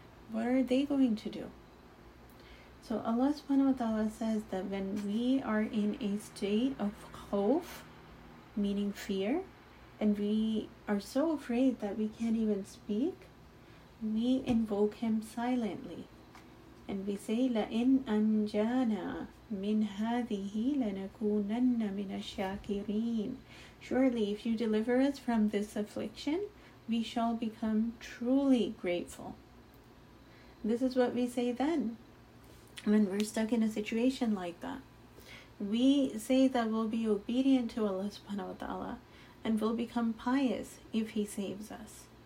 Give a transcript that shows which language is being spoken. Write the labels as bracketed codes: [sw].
[en] What are they going to do? So Allah subhanahu wa ta'ala says that when we are in a state of khawf, meaning fear, and we are so afraid that we can't even speak, we invoke him silently. And we say, [ar] لَإِنْ أَنْجَانَا مِنْ هَذِهِ لَنَكُونَنَّ مِنَ الشَّاكِرِينَ. [en] Surely, if you deliver us from this affliction, we shall become truly grateful. This is what we say then, when we're stuck in a situation like that. We say that we'll be obedient to Allah subhanahu wa ta'ala and will become pious if He saves us.